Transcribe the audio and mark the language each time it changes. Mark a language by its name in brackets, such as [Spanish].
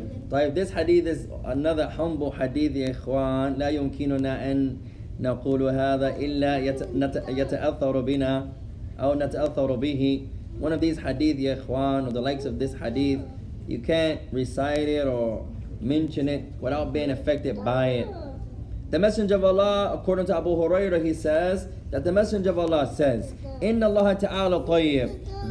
[English] طيب this hadith is another humble hadith يا إخوان. [Arabic] لا يمكننا أن نقول هذا إلا يتأثر بنا أو نتأثر به. [English] One of these hadith يا إخوان, or the likes of this hadith, you can't recite it or mention it without being affected by it. The Messenger of Allah, according to Abu Hurairah, he says that the Messenger of Allah says, [Arabic] "Inna Allah Ta'ala Tayyib."